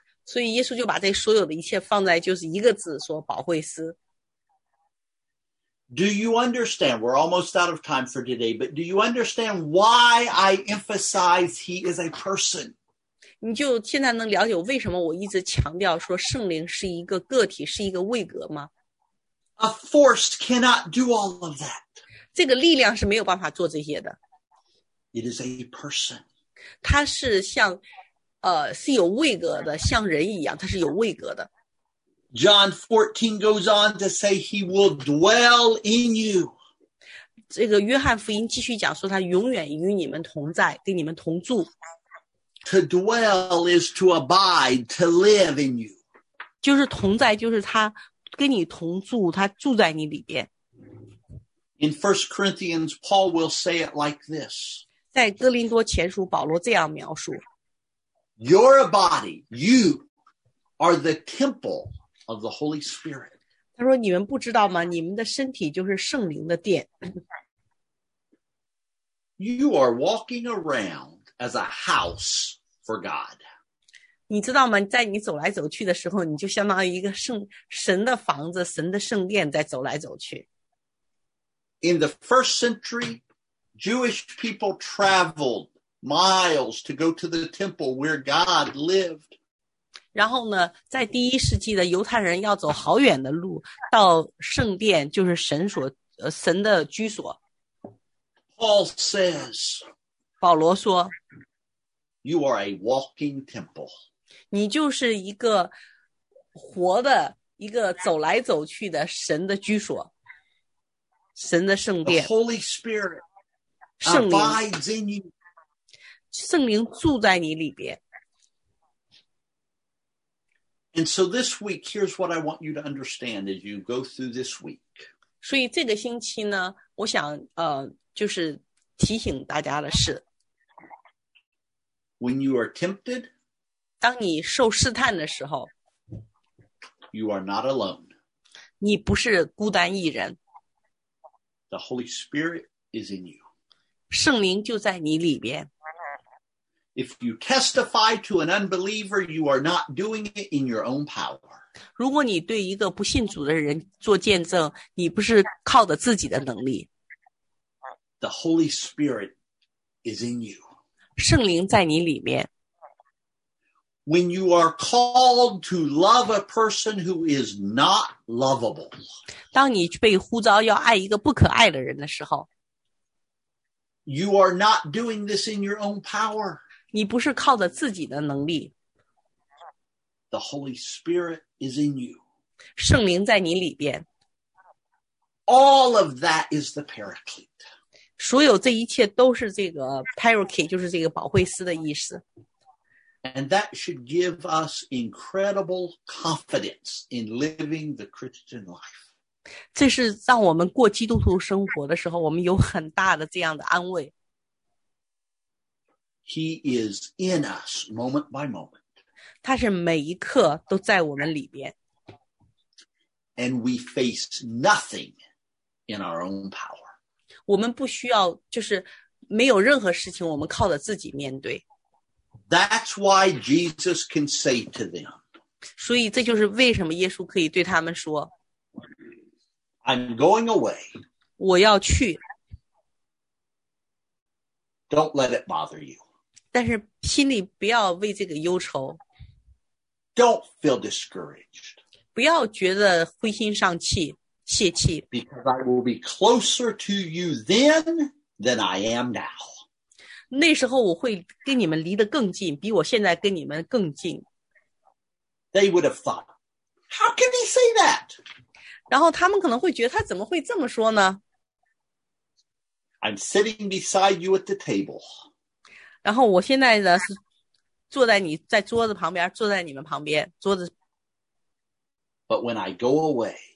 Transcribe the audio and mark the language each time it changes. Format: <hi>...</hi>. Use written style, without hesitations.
<zh>所以耶稣就把这所有的一切放在就是一个字说保惠师。</zh> <en>Do you understand, we're almost out of time for today, but do you understand why I emphasize he is a person?</en> <zh>你就现在能了解为什么我一直强调说圣灵是一个个体，是一个位格吗？</zh> <en>A force cannot do all of that.</en> <zh>这个力量是没有办法做这些的。</zh> <en>It is a person.</en> <zh>它是像是有位格的，像人一样，它是有位格的。</zh> <en>John 14 goes on to say he will dwell in you.</en> <zh>这个约翰福音继续讲说他永远与你们同在，跟你们同住。</zh> <en>To dwell is to abide, to live in you.</en> <zh>就是同在，就是他跟你同住，他住在你里边。</zh> <en>In 1 Corinthians, Paul will say it like this.</en> <zh>在哥林多前书，保罗这样描述。</zh> <en>Your body, you, are the temple of the Holy Spirit.</en> <zh>他说你们不知道吗？你们的身体就是圣灵的殿。</zh> <en>You are walking around. As a house for God.</en> <zh>你知道吗？在你走来走去的时候，你就相当于一个神的房子，神的圣殿在走来走去。</zh> <en>In the first century, Jewish people traveled miles to go to the temple where God lived.</en> <zh>然后呢，在第一世纪的犹太人要走好远的路到圣殿，就是神的居所。</zh> <en>Paul says.</en> <zh>保罗说</zh> <en>You are a walking temple.</en> <zh>你就是一个活的一个走来走去的神的居所神的圣殿</zh> <en>The Holy Spirit abides in you.</en> <zh>圣灵住在你里边</zh> <en>And so this week, here's what I want you to understand as you go through this week.</en> <zh>所以这个星期呢我想就是提醒大家的是</zh> <en>When you are tempted,</en> <zh>当你受试探的时候</zh> <en>you are not alone.</en> <zh>你不是孤单一人。</zh> <en>The Holy Spirit is in you.</en> <zh>圣灵就在你里边。</zh> <en>If you testify to an unbeliever, you are not doing it in your own power.</en> <zh>如果你对一个不信主的人做见证，你不是靠着自己的能力。</zh> <en>The Holy Spirit is in you.</en> <zh>圣灵在你里面。</zh> <en>When you are called to love a person who is not lovable,</en> <zh>当你被呼召要爱一个不可爱的人的时候，</zh> <en>you are not doing this in your own power.</en> <zh>你不是靠着自己的能力。</zh> <en>The Holy Spirit is in you.</en> <zh>圣灵在你里边。</zh> <en>All of that is the paraclete.</en> <zh>所有这一切都是这个 paraclete, 就是这个保惠师的意思。</zh> <en>And that should give us incredible confidence in living the Christian life.</en> <zh>这是让我们过基督徒生活的时候，我们有很大的这样的安慰。</zh> <en>He is in us moment by moment.</en> <zh>他是每一刻都在我们里边。</zh> <en>And we face nothing in our own power.</en> <zh>我们不需要，就是没有任何事情我们靠着自己面对。</zh> <en>That's why Jesus can say to them.</en> <zh>所以这就是为什么耶稣可以对他们说，</zh> <en>I'm going away.</en> <zh>我要去。</zh> <en>Don't let it bother you.</en> <zh>但是心里不要为这个忧愁。</zh> <en>Don't feel discouraged.</en> <zh>不要觉得灰心丧气，泄气。</zh> <en>Because I will be closer to you then than I am now.</en> <zh>那时候我会跟你们离得更近，比我现在跟你们更近。</zh> <en>They would have thought, how can he say that?</en> <zh>然后他们可能会觉得他怎么会这么说呢？</zh> <en>I'm sitting beside you at the table.</en> <zh>然后我现在呢是坐在你在桌子旁边，坐在你们旁边桌子。</zh> <en>But when I go away,</en>